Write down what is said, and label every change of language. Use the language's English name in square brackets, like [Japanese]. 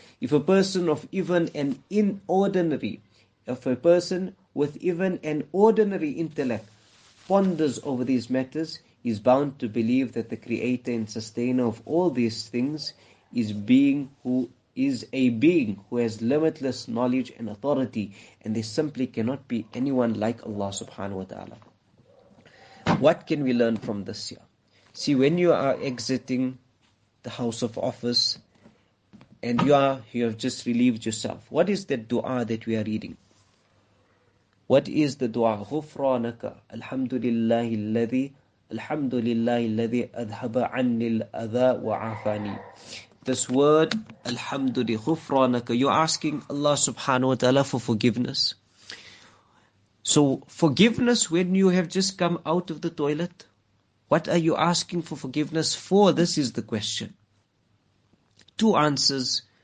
[English] If a person of even an inordinary, if a person with even an ordinary intellect ponders over these matters, is bound to believe that the creator and sustainer of all these things is being who is a being who has limitless knowledge and authority, and there simply cannot be anyone like Allah subhanahu wa ta'ala. What can we learn from this year? See, when you are exiting the house of office and you have just relieved yourself, what is that dua that we are reading? What is the dua? [Arabic] غفرانك الحمد لله الذي الحمد لله الذي أذهب عني الأذى وعافاني. [English] This word, [Arabic] الحمد لله غفرانك. [English] You're asking Allah subhanahu wa ta'ala for forgiveness. So forgiveness when you have just come out of the toilet. What are you asking for forgiveness for? This is the question. Two answers.